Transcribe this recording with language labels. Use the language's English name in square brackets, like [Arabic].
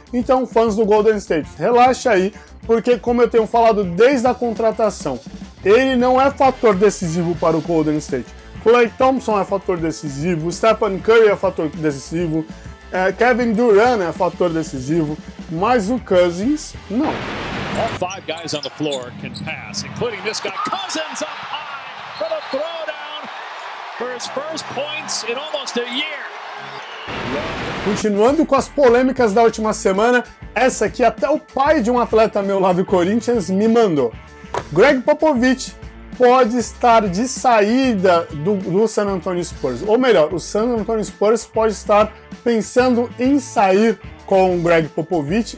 [Portuguese] Então, fãs do Golden State, relaxa aí, porque como eu tenho falado desde a contratação, ele não é fator decisivo para o Golden State. Klay Thompson é fator decisivo, Stephen Curry é fator decisivo, Kevin Durant é fator decisivo, mas o Cousins, não. [English] All five guys on the floor can pass, including this guy, Cousins up high for the throwdown for his first points in almost a year. [Portuguese] Continuando com as polêmicas da última semana, essa aqui até o pai de um atleta meu lá do Corinthians me mandou. Greg Popovich pode estar de saída do San Antonio Spurs. Ou melhor, o San Antonio Spurs pode estar pensando em sair com o Greg Popovich.